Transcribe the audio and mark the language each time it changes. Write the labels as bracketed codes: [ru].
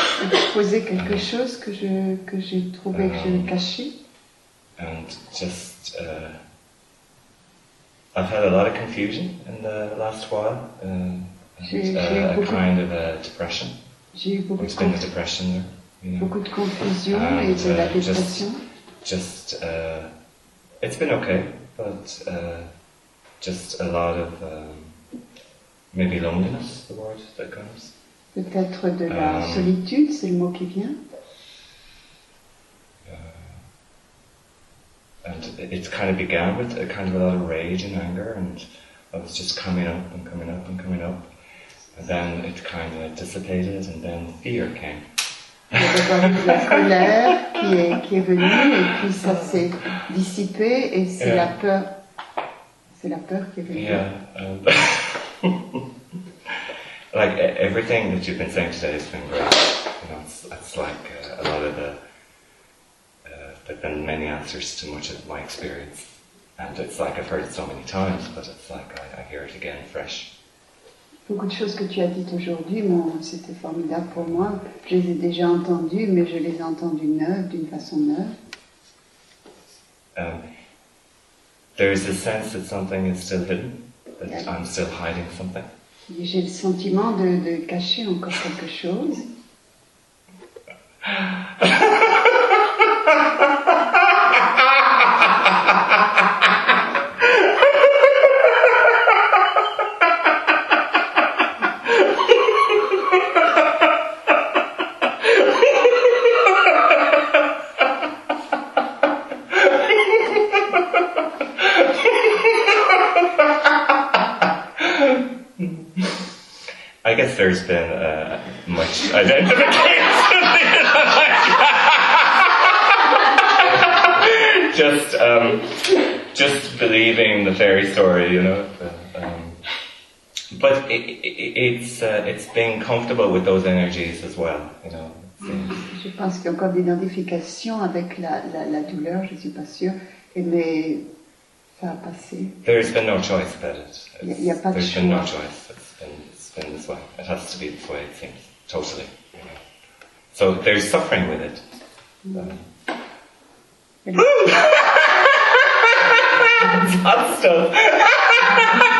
[fr] Exposer quelque chose que j'ai trouvé que j'ai caché. [en] And just I've had a lot of confusion in the last while. A kind of a depression. [fr] J'ai eu beaucoup de depression, beaucoup de confusion et de la dépression. [en] Just it's been okay, but just a lot of maybe loneliness, the word that comes. [fr] Peut-être de la solitude, c'est le mot qui vient. [en] And it kind of began with a kind of a lot of rage and anger, and I was just coming up and coming up and coming up. And then it kind of dissipated, and then fear came. [fr] La colère qui est venue, et puis ça s'est dissipé, et c'est la peur. C'est la peur qui est venue. [en] Yeah. like everything that you've been saying today has been great. You know, it's like a lot of the. There've been many answers to much of my experience, and it's like I've heard it so many times, but it's like I hear it again fresh. [fr] Beaucoup de choses que tu as dites aujourd'hui, bon, c'était formidable pour moi. Je les ai déjà entendues, mais je les ai entendues neuves, d'une façon neuve. [en] There is a sense that something is still hidden, that I'm still hiding something. [fr] J'ai le sentiment de cacher encore quelque chose. [en] I guess there's been much identification just believing the fairy story, you know. But it's being comfortable with those energies as well, you know. [fr] Je pense qu'il y a encore d'identification avec la douleur. Je suis pas sûr, mais ça a passé. [en] There's been no choice about it. [fr] Il y a pas de choix. [en] There's been no choice. In this way. It has to be this way, it seems. Totally. So there's suffering with it. It's hot stuff.